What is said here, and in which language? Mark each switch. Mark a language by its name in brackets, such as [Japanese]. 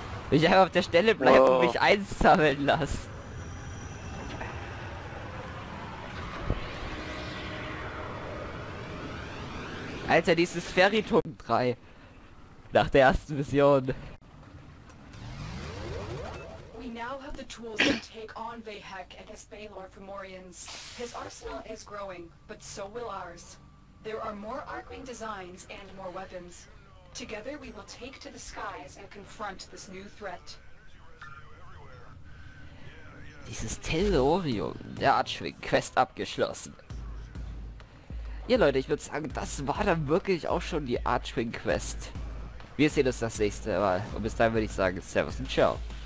[German] Ich einfach auf der Stelle bleiben und mich einsammeln lassen. Alter, dieses Ferryturm 3. Nach der ersten Mission. [English] We now have the tools to take on Vahek and his Baelor Fomorians. His arsenal is growing, but so will ours. There are more Arkwing designs and more weapons. Together we will take to the skies and confront this new threat. [German] Dieses Tellurium, der Archwing Quest abgeschlossen. Ja Leute, ich würde sagen, das war dann wirklich auch schon die Archwing Quest. Wir sehen uns das nächste Mal und bis dahin würde ich sagen, Servus und Ciao.